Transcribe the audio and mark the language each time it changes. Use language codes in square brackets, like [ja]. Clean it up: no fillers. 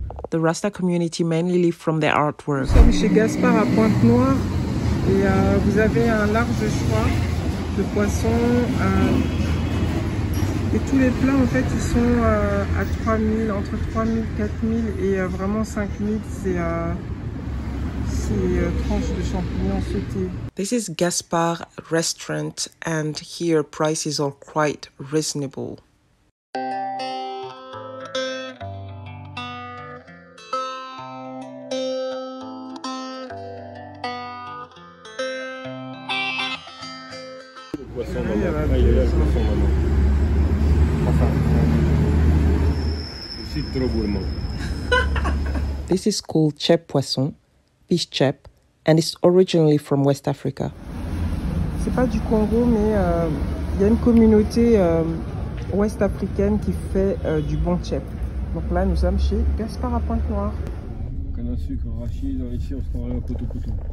[en] The Rasta community mainly live from their artwork. [fr] Nous sommes chez Gaspard à Pointe-Noire. Et vous avez un large choix de poissons et tous les plats en fait ils sont à 3000, entre 3000, 4000 et vraiment 5000 c'est tranches de champignons sautés. [en] This is Gaspard restaurant and here prices are quite reasonable. This is called chep poisson, fish chep, and it's originally from West Africa. [fr] C'est pas du Congo, mais il y a une communauté ouest africaine qui fait du bon chep. Donc là, nous sommes chez Gaspard à Pointe-Noire. Canne à sucre, rachis, ici on se trouve à Cotopoto.